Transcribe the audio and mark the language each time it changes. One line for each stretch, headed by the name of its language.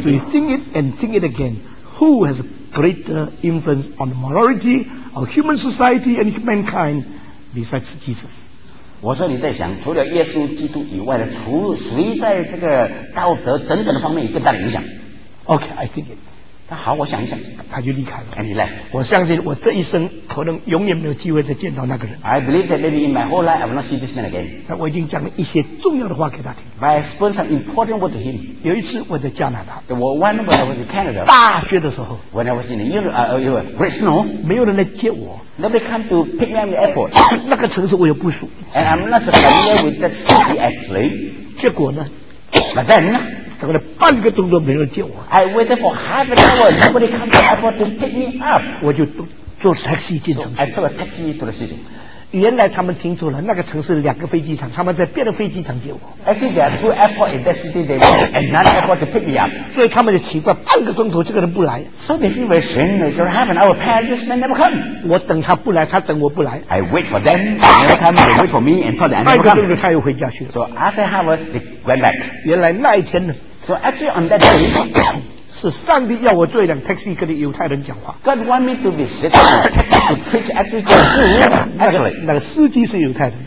English: Do you think it and think it again？ Who has greater influence on the morality of human society and mankind besides Jesus?
Chinese: 我说你在想，除了耶稣基督以外的，除谁在这个道德等等的方面有更大的影响
English: ？Okay, I think it.
Chinese: 他好，我想一想，他就离开了。
English: And he left.
Chinese: 我相信我这一生可能永远没有机会再见到那个人。
English: I believe that maybe in my whole life I will not see this man again.
Chinese: 但我已经讲了一些重要的话给他听。
English: But I spoke some important words to him.
Chinese: 有一次我在加拿大，我
English: one when I was in Canada.
Chinese: 大学的时候
English: ，when I was in Regional,
Chinese: 没有人来接我。
English: Nobody come to pick me up in the airport.
Chinese: 那个城市我又不熟。
English: And I'm not familiar with that city actually.
Chinese: 结果呢
English: ？But then.
Chinese: 等了半个钟头没人接我。
English: I waited for half an hour. Nobody comes to the airport to pick me up.
Chinese: 我就坐 taxi 进城去。
English: So、I took a taxi to the city.
Chinese: 原来他们听错了，那个城市两个飞机场，他们在别的飞机场接我。
English: Actually, there are two airports in that city. They went and another airport to pick me up.
Chinese: 所以他们就奇怪，半个钟头这个人不来。
English: So they feel very strange. They said, half an hour passed. This man never come.
Chinese: 我等他不来，他等我不来。
English: I wait for them. They never come. They wait for me and thought they never come.
Chinese: 半个钟头他又回家去了。
English: So after half an hour, they went back.
Chinese: 原来那一天呢？
English: So actually on that day,
Chinese: 是上帝要我做一辆 taxi 跟犹太人讲话。
English: God want me to be sitting to preach actually.
Chinese: 那个司机是犹太人。